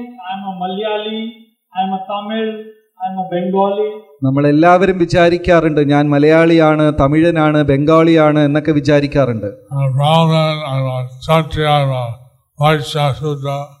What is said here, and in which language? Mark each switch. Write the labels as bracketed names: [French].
[English] I'm a Malayali, I'm a Tamil, I'm a Bengali. [Malayalam] നമ്മളെല്ലാവരും വിചാരിക്കാറുണ്ട് ഞാൻ മലയാളിയാണ്, തമിഴനാണ്, ബംഗാളിയാണ് എന്നൊക്കെ വിചാരിക്കാറുണ്ട്. [English] I'm a Brahmin, I'm a Kshatriya, I'm a Vaishya, Shudra.